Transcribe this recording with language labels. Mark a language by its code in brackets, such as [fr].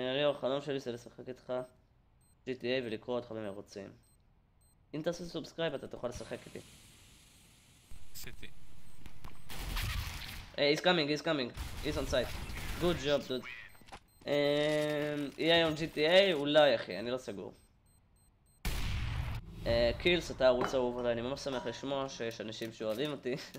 [he] החלום שלי זה לשחק איתך GTA ולקרוא אותך במרוצים. אם תעשה סובסקרייב אתה תוכל לשחק איתי. עשיתי. [en] היי, he's coming, he's on site. Good job, dude. [he] יהיה היום GTA? אולי אחי, אני לא סגור. קילס, אתה ערוץ אהוב עליי, אני ממש שמח לשמוע שיש אנשים שאוהבים אותי.